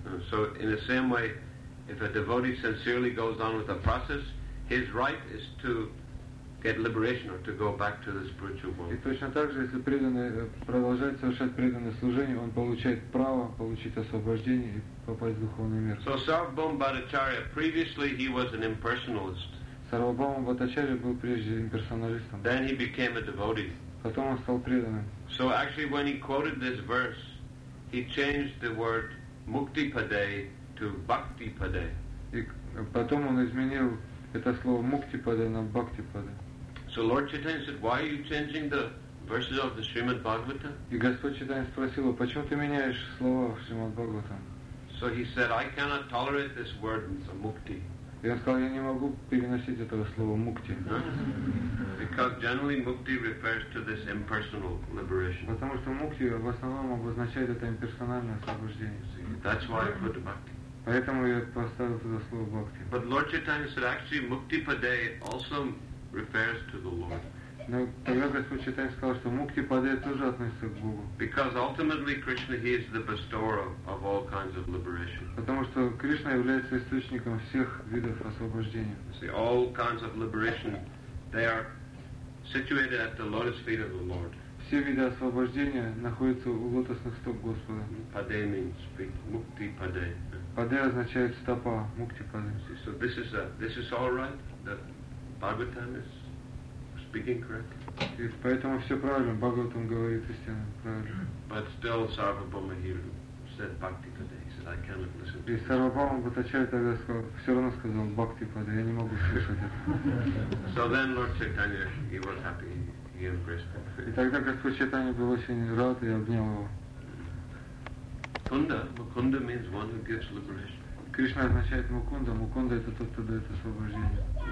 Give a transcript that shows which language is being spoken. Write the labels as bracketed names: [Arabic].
[English] So in the same way, if a devotee sincerely goes on with the process, his right is to get liberation or to go back to the spiritual world. [Russian] И точно так же, если преданный продолжает совершать преданное служение, он получает право получить освобождение и попасть в духовный мир. [English] So Sarvabhauma Bhattacharya, previously he was an impersonalist. [Russian] Сарвабхаума Бхаттачарья был прежде имперсоналистом. [English] Then he became a devotee. [Russian] Потом он стал преданным. [English] So actually when he quoted this verse, he changed the word mukti pade to bhakti pade. [Russian] И потом он изменил это слово mukti pade на bhakti pade. [English] So Lord Chaitanya said, why are you changing the verses of the Srimad Bhagavatam? [Russian] И Господь Чайтанья спросил, почему ты меняешь слова в Srimad Bhagavatam? [English] So he said, I cannot tolerate this word mukti. [Russian] И он сказал, я не могу переносить этого слова мукти. [English] Because generally mukti refers to this impersonal liberation. [Russian] Потому что мукти в основном обозначает это имперсональное освобождение. [English] That's why I put bhakti. [Russian] Поэтому я поставил туда слово бхакти. [English] But Lord Chaitanya said actually mukti pade also refers to the Lord. [Russian] Но тогда Господь Читание сказал, что мукти падая тоже относится к Богу. [English] Because ultimately Krishna he is the bestower of all kinds of liberation. [Russian] Потому что Кришна является источником всех видов освобождения. [English] See, all kinds of liberation, they are situated at the lotus feet of the Lord. [Russian] Все виды освобождения находятся у лотосных стоп Господа. [English] Паде means feet, мукти паде. [Russian] Паде означает стопа, мукти паде. [English] So this is all right. The Bhagavatam is speaking correctly. [Russian] И поэтому все правильно. Бхагаватам говорит истину правильно. [English] But still Sarvabhauma said bhakti pade. He said, I cannot listen to this. [Russian] И Сарвабхаума Бхаттачарья тогда сказал, все равно сказал бхакти пады, я не могу слышать это. [English] So then Lord Chaitanya, he was happy, he embraced him. [Russian] И тогда Господь Чайтанья был очень рад и обнял его. Мукунда. [English] Мукунда means one who gives liberation. [Russian] Кришна означает Мукунда. Мукунда это тот, кто дает освобождение.